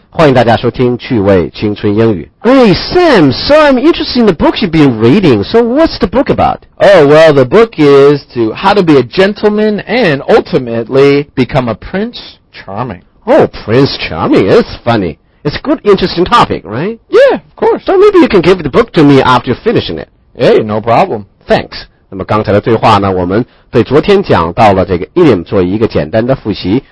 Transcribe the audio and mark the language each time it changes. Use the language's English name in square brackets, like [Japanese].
[Chinese] 欢迎大家收听趣味青春英语。 [English] Hey, Sam, so I'm interested in the book you've been reading. So what's the book about? Oh, well, the book is to how to be a gentleman and ultimately become a Prince Charming. Oh, Prince Charming. It's funny. It's a good, interesting topic, right? Yeah, of course. So maybe you can give the book to me after finishing it. Hey, no problem. Thanks. [Chinese] 那么刚才的对话呢，我们对昨天讲到了这个 idiom 做一个简单的复习。